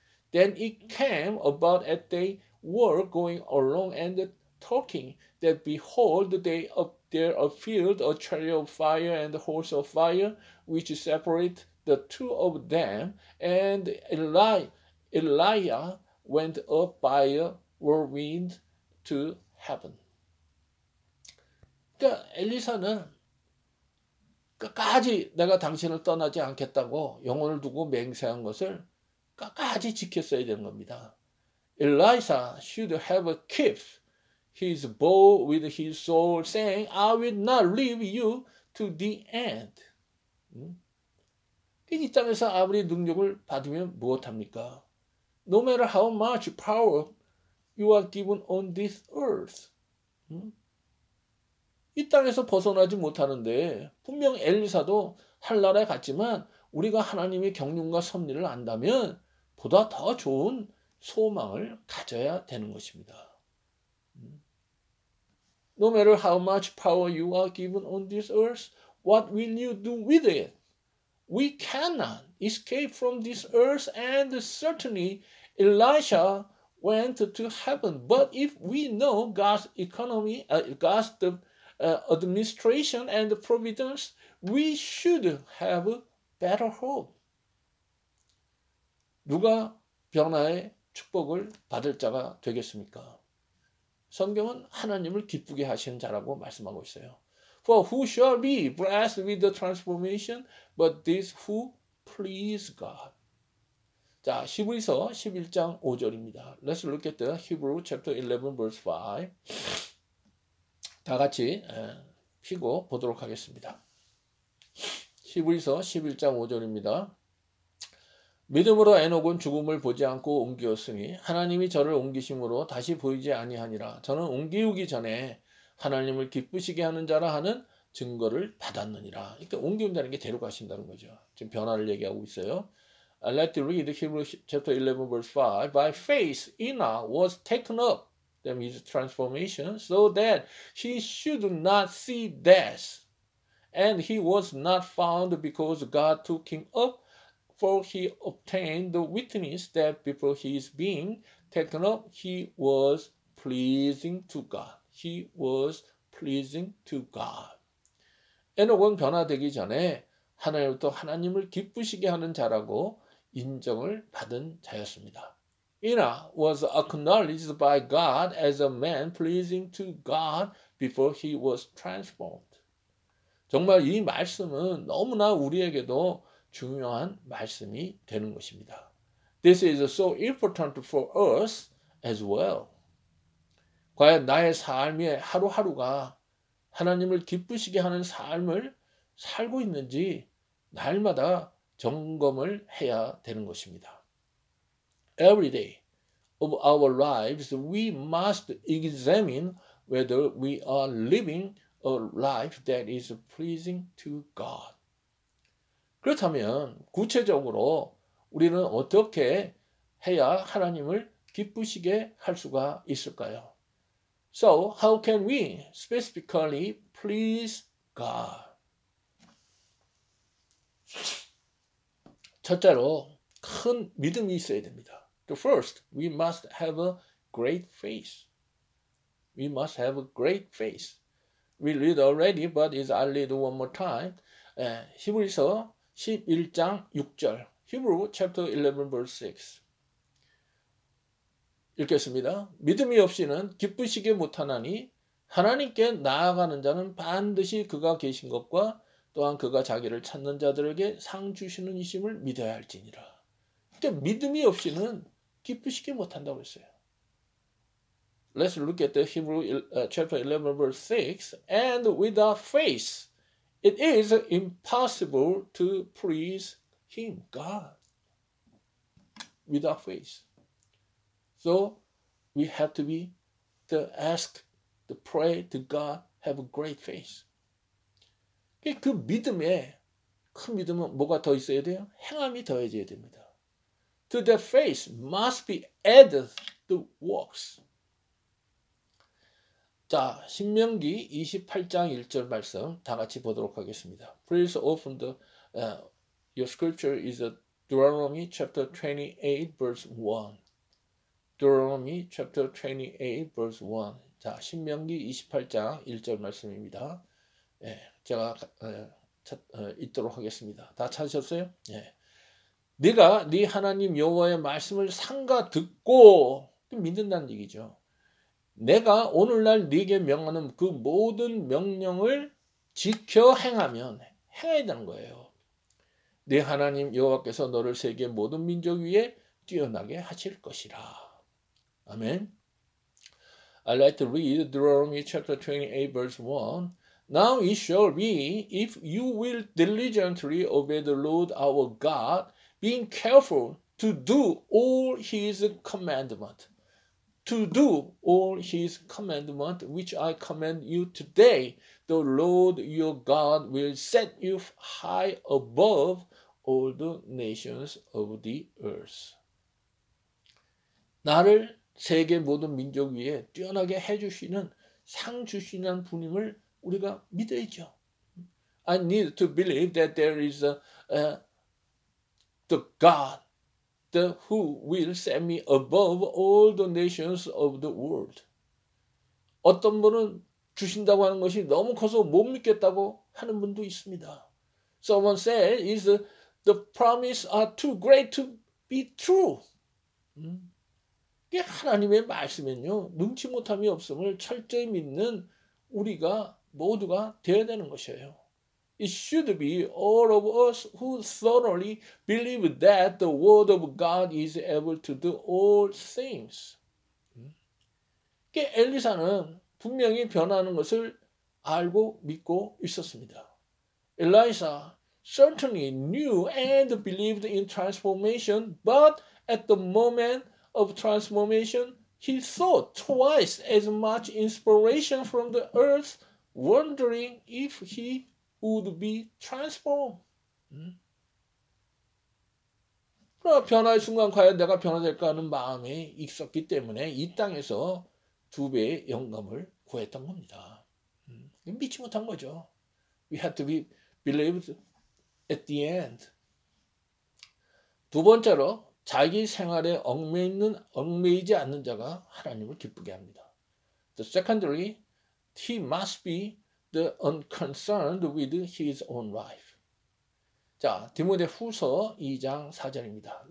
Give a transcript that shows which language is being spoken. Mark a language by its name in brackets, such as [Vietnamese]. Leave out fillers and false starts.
[English] Then it came about as they were going along and talking, that behold, there appeared a chariot of fire and a horse of fire, which separate the two of them, and Elijah went up by a whirlwind to heaven. [Korean] 그러니까 엘리사는 끝까지 내가 당신을 떠나지 않겠다고 영혼을 두고 맹세한 것을 끝까지 지켰어야 되는 겁니다. [English] Elisha should have kept his bow with his soul saying, I will not leave you to the end. [Korean] 이 땅에서 아무리 능력을 받으면 무엇합니까? [English] No matter how much power you are given on this earth, [Korean] 이 땅에서 벗어나지 못하는데, 분명 엘리사도 한나라에 갔지만, 우리가 하나님의 경륜과 섭리를 안다면, 보다 더 좋은 소망을 가져야 되는 것입니다. [English] No matter how much power you are given on this earth, what will you do with it? We cannot escape from this earth, and certainly Elisha went to heaven. But if we know God's economy, God's administration and providence, we should have better hope. [Korean] 누가 변화의 축복을 받을 자가 되겠습니까? 성경은 하나님을 기쁘게 하신 자라고 말씀하고 있어요. [English] For who shall be blessed with the transformation but this who please God? [Korean] 자, 히브리서 11장 5절입니다. [English] Let's look at the Hebrew chapter 11 verse 5. [Korean] 다 같이 펴고 보도록 하겠습니다. 히브리서 11장 5절입니다. 믿음으로 에녹은 죽음을 보지 않고 옮겼으니 하나님이 저를 옮기심으로 다시 보이지 아니하니라. 저는 옮기우기 전에 하나님을 기쁘시게 하는 자라 하는 증거를 받았느니라. 이렇게 옮기운다는 게 데리고 가신다는 거죠. 지금 변화를 얘기하고 있어요. [English] Let the read Hebrews chapter 11 verse 5. By faith Enoch was taken up, that means transformation, so that he should not see death. And he was not found because God took him up, for he obtained the witness that before his being taken up, he was pleasing to God. He was pleasing to God. [Korean] 에녹은 변화되기 전에 하나님부터 하나님을 기쁘시게 하는 자라고 인정을 받은 자였습니다. [English] Enoch was acknowledged by God as a man pleasing to God before he was transformed. [Korean] 정말 이 말씀은 너무나 우리에게도 중요한 말씀이 되는 것입니다. [English] This is so important for us as well. [Korean] 과연 나의 삶의 하루하루가 하나님을 기쁘시게 하는 삶을 살고 있는지 날마다 점검을 해야 되는 것입니다. [English] Every day of our lives, we must examine whether we are living a life that is pleasing to God. [Korean] 그렇다면 구체적으로 우리는 어떻게 해야 하나님을 기쁘시게 할 수가 있을까요? [English] So, how can we specifically please God? [Korean] 첫째로, 큰 믿음이 있어야 됩니다. [English] The first, we must have a great faith. We must have a great faith. We read already, but I'll read one more time. [Korean] 히브리서 11장 6절. [English] Hebrew chapter 11 verse 6. [Korean] 읽겠습니다. 믿음이 없이는 기쁘시게 못하나니 하나님께 나아가는 자는 반드시 그가 계신 것과 또한 그가 자기를 찾는 자들에게 상 주시는 이심을 믿어야 할지니라. 그때 믿음이 없이는 기쁘시게 못한다고 했어요. [English] Let's look at the Hebrew chapter 11 verse 6. And without faith, it is impossible to please him, God, without faith. So we have to be to ask, to pray to God, have a great faith. [Korean] 그 믿음에, 큰 믿음은 뭐가 더 있어야 돼요? 행함이 더해져야 됩니다. [English] To the faith must be added to works. [Korean] 자, 신명기 28장 1절 말씀 다 같이 보도록 하겠습니다. [English] Please open the your scripture is a Deuteronomy chapter 28 verse 1. Deuteronomy chapter 28 verse 1. [Korean] 자, 신명기 28장 1절 말씀입니다. 예, 제가 읽도록 하겠습니다. 다 찾으셨어요? 예. 네가 네 하나님 여호와의 말씀을 삼가 듣고 믿는다는 얘기죠. 내가 오늘날 네게 명하는 그 모든 명령을 지켜 행하면 행해야 되는 거예요. 네 하나님 여호와께서 너를 세계 모든 민족 위에 뛰어나게 하실 것이라. [English] 아멘. I'd like to read Deuteronomy chapter 28 verse 1. Now it shall be if you will diligently obey the Lord our God, being careful to do all his commandment. To do all his commandment, which I command you today, The Lord your God will set you high above all the nations of the earth. [Korean] 나를 세계 모든 민족 위에 뛰어나게 해주시는 상 주시는 분임을 우리가 믿어야죠. [English] I need to believe that there is the God who will set me above all the nations of the world. [Korean] 어떤 분은 주신다고 하는 것이 너무 커서 못 믿겠다고 하는 분도 있습니다. [English] Someone said, is the promise are too great to be true. [Korean] 이게 하나님의 말씀은요. 능치 못함이 없음을 철저히 믿는 우리가 모두가 되어야 되는 것이에요. [English] It should be all of us who thoroughly believe that the word of God is able to do all things. [Korean] 엘리사는 분명히 변하는 것을 알고 믿고 있었습니다. [English] Elisha certainly knew and believed in transformation, but at the moment of transformation, he thought twice as much inspiration from the earth, wondering if he would be transformed. [Korean] 변화의 순간 과연 내가 변화될까 하는 마음이 있었기 때문에 이 땅에서 두 배의 영감을 구했던 겁니다. 믿지 못한 거죠. [English] We have to be believed at the end. [Korean] 두 번째로 자기 생활에 얽매이지 않는 자가 하나님을 기쁘게 합니다. [English] The secondary, he must be the unconcerned with his own life. [Korean] 자, 디모데 후서 2장 4절입니다.